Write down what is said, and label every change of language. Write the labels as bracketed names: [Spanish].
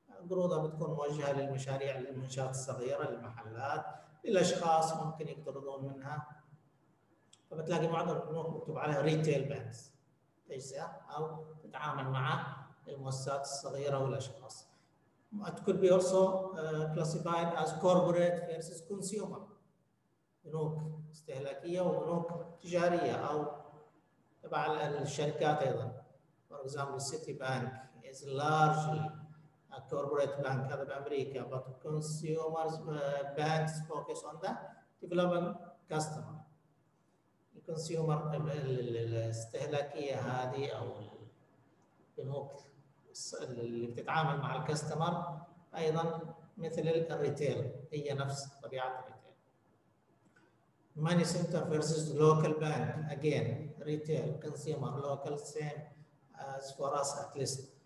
[Arabic] قروضها بتكون موجهة للمشاريع, للمنشآت الصغيرة, للمحلات, للأشخاص ممكن يقترضون منها. فبتلاقي معظم البنوك مكتوب عليها ريتيل بانكس تجزئة أو تتعامل مع المؤسسات الصغيرة والأشخاص. [English] It could be also classified as corporate versus consumer. [Arabic] بنوك استهلاكية وبنوك تجارية أو تبع الشركات أيضا. [English] For example, Citibank is largely a corporate bank out of America, but consumers banks focus on the developing customer. [Arabic] الكونسيومر الاستهلاكية هذه أو البنوك اللي بتتعامل مع الكاستمر أيضا مثل الريتيل هي نفس طبيعة الريتيل. ماني سنتر versus لوكال بانك again ريتيل كونسيومر لوكال سيم [English] as for us at least.